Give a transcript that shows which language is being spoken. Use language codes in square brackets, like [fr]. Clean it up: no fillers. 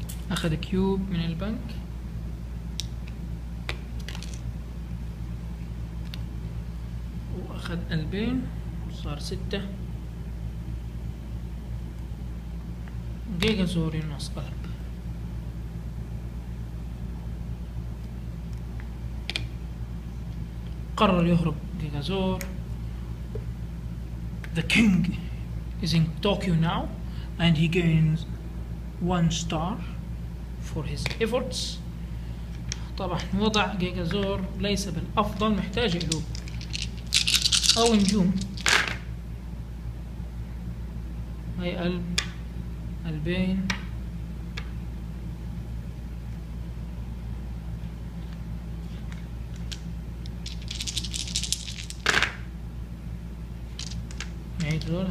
[ar] أخذ كيوب من البنك، أخذ قلبين، صار 6. جيجازور ينقص قلب، قرر يهرب جيجازور. [en] The king is in Tokyo now and he gains 1 star for his efforts. [ar] طبعا وضع جيجازور ليس بالأفضل، محتاج قلوب أو نجوم. هاي قلب، قلبين، نعيد دول.